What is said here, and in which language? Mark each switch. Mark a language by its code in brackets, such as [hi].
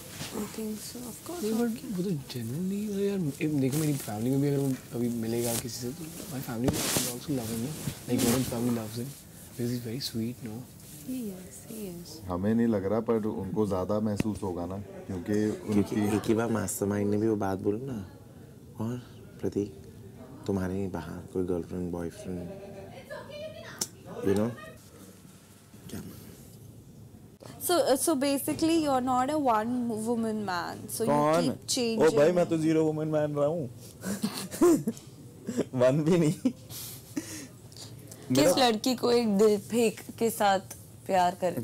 [hi] हमें नहीं लग रहा, पर उनको ज्यादा महसूस होगा ना, क्योंकि एक ही बार मास्टरमाइंड ने भी वो बात बोली ना. और प्रतीक, तुम्हारे बाहर कोई girlfriend boyfriend, [en] You know? So basically you're not a one woman man, so [hi] कौन? [en] You keep changing. [hi] ओ भाई मैं तो [en] zero woman man [hi] रहा हूँ. One भी नहीं. किस लड़की को एक दिल फेंक के साथ प्यार कर?